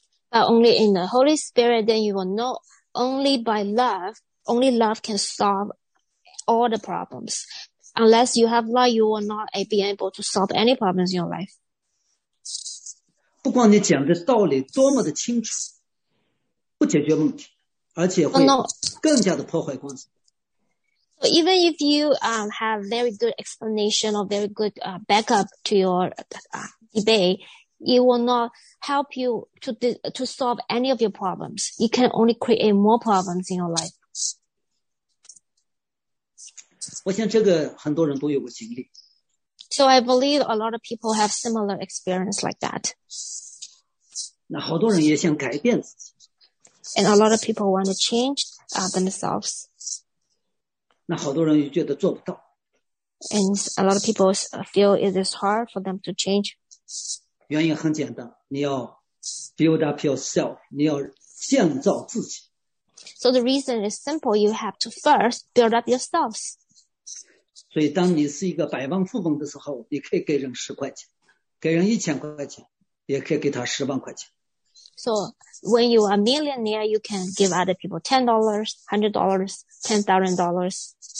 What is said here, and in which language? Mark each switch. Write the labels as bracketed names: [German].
[English] But only in the Holy Spirit, then you will know only by love, only love can solve all the problems. Unless you have love, you will not be able to solve any problems in your life. [Chinese] 不管你讲的道理多么的清楚，不解决问题，而且会更加的破坏关系。 [English] So even if you have very good explanation or very good backup to your debate,It will not help you to solve any of your problems. It can only create more problems in your life. [Chinese] 我想这个很多人都有过经历。 [English] So I believe a lot of people have similar experience like that. [Chinese] 那好多人也想改变自己。 [English] And a lot of people want to change themselves. [Chinese] 那好多人也觉得做不到。 [English] And a lot of people feel it is hard for them to change. [Chinese] 原因很简单，你要 [English] build up yourself， [Chinese] 你要建造自己。 [English] So the reason is simple. You have to first build up yourselves. [Chinese] 所以，当你是一个百万富翁的时候，你可以给人十块钱，给人一千块钱，也可以给他十万块钱。 [English] So when you are a millionaire, you can give other people $10, $100, $10,000.